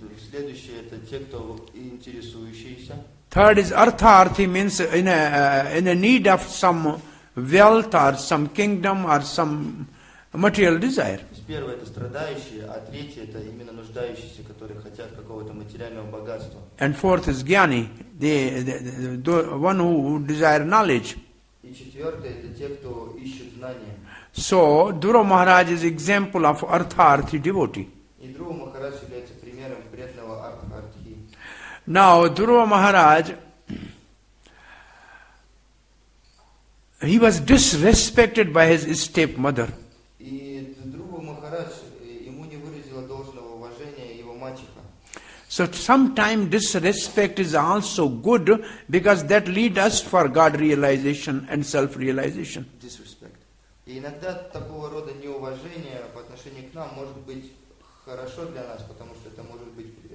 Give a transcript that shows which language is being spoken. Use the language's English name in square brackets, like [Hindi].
[Russian] Следующий это те, кто интересующиеся. [English] Third is artha-arthi, means in a need of some wealth or some kingdom or some material desire. [Russian] Первое это страдающие, а третье это именно нуждающиеся, которые хотят какого-то материального богатства. [English] And fourth is jnani, the one who desire knowledge. [Russian] И четвертое это те, кто ищут знания. [English] So Dhruva Maharaj is example of artha-arthi devotee. [Russian] И Dhruva Maharaj является примером преданного артха-артхи. [English] Now, Dhruva Maharaj, he was disrespected by his stepmother. [Russian] И Dhruva Maharaj, ему не выразило должного уважения его мачеха. [English] So sometimes disrespect is also good because that leads us for God realization and self-realization. Disrespect. [Russian] И иногда такого рода неуважение по отношению к нам может быть хорошо для нас, потому что это может быть